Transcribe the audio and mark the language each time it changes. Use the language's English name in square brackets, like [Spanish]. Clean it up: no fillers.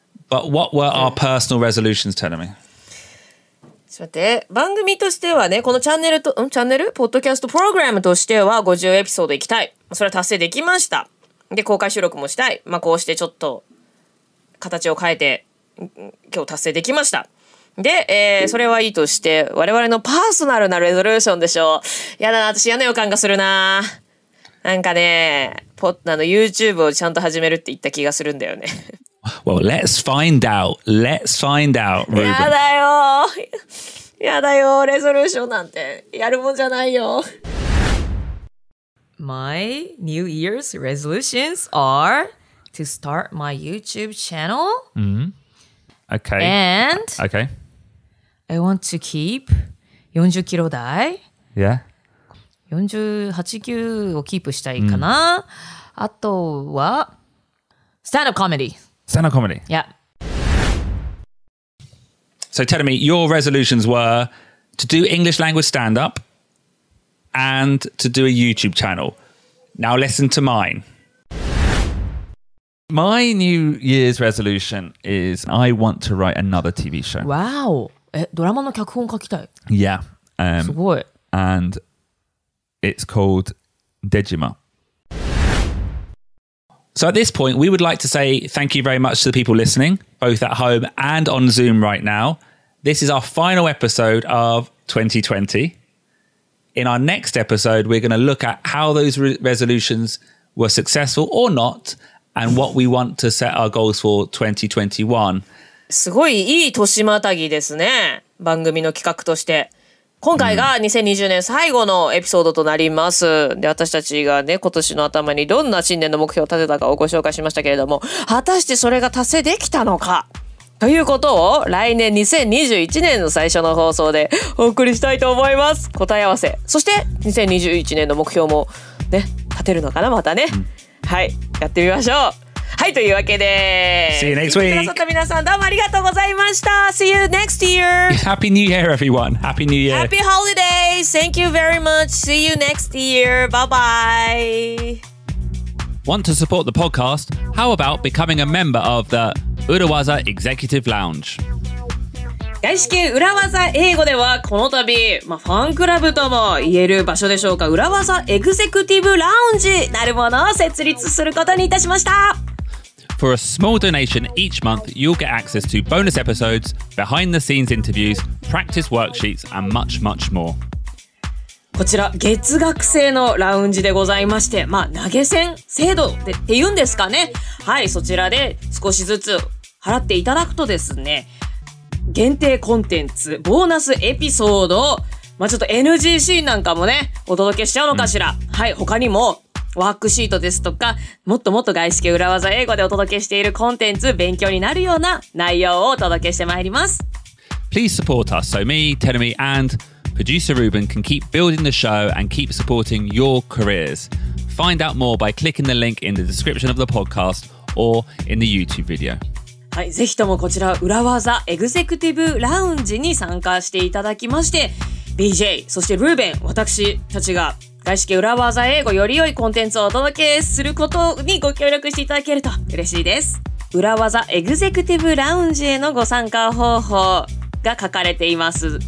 [English] But what were our personal resolutions, Tenami? [Japanese] ちょっと待って、番組としてはね、このチャンネルと、ん?チャンネル? ポッドキャストプログラムとしては50エピソードいきたい。それは達成できました。で、公開収録もしたい。まあ、こうしてちょっと形を変えて、今日達成できました。で、それはいいとして、我々のパーソナルなレゾリューションでしょう。やだな、私嫌な予感がするな。なんかね、YouTube をちゃんと始めるって言った気がするんだよね。 [English] Well, let's find out. Let's find out, Ruben. [Japanese] やだよ。やだよ。レゾリューションなんてやるもんじゃないよ。 [English] My New Year's resolutions are to start my YouTube channel. Mm-hmm. Okay. And okay. I want to keep 40 kilo dai. Yeah. [Japanese] 48kg をキープしたいかな。あとは stand-up comedy. [English] Stand-up comedy. Yeah. So tell me, your resolutions were to do English language stand-up and to do a YouTube channel. Now listen to mine. My New Year's resolution is I want to write another TV show. Wow. [Japanese] ドラマの脚本書きたい。 [English] Yeah. [Japanese] すごい。 [English] And it's called Dejima. So at this point, we would like to say thank you very much to the people listening, both at home and on Zoom right now. This is our final episode of 2020. In our next episode, we're going to look at how those resolutions were successful or not, and what we want to set our goals for 2021. [Japanese] すごいいい年またぎですね、番組の企画として。今回が2020年最後のエピソードとなります。で、私たちがね、今年の頭にどんな新年の目標を立てたかをご紹介しましたけれども、果たしてそれが達成できたのかということを来年2021年の最初の放送でお送りしたいと思います。答え合わせ。そして、2021年の目標もね、立てるのかな、またね。はい、やってみましょう。はい、というわけで、 [English] See you next week. [Japanese] 聞いてくださった皆さん、どうもありがとうございました。 [English] See you next year. Happy New Year, everyone. Happy New Year. Happy holidays. Thank you very much. See you next year. Bye-bye. Want to support the podcast? How about becoming a member of the Urawaza Executive Lounge? [Japanese] 外資系裏技英語では、この度、まあ、ファンクラブとも言える場所でしょうか。裏技エグゼクティブラウンジなるものを設立することにいたしました。 [English] For a small donation each month, you'll get access to bonus episodes, behind-the-scenes interviews, practice worksheets, and much, much more. [Japanese] こちら月額制のラウンジでございまして、まあ投げ銭制度っていうんですかね。はい、そちらで少しずつ払っていただくとですね、限定コンテンツ、ボーナスエピソード、まあちょっと NG シーンなんかもね、お届けしちゃうのかしら。うん、はい、他にも。ワークシートですとか、もっともっと外資系裏技英語でお届けしているコンテンツ、勉強になるような内容をお届けしてまいります。 [English] Please support us so me, Tenami, and producer Ruben can keep building the show and keep supporting your careers. Find out more by clicking the link in the description of the podcast or in the YouTube video. [Japanese] はい、ぜひともこちら、裏技エグゼクティブラウンジに参加していただきまして、BJ、そしてルーベン、私たちが外資系裏技英語より良いコンテンツをお届けすることにご協力していただけると嬉しいです。裏技エグゼクティブラウンジへのご参加方法が書かれています。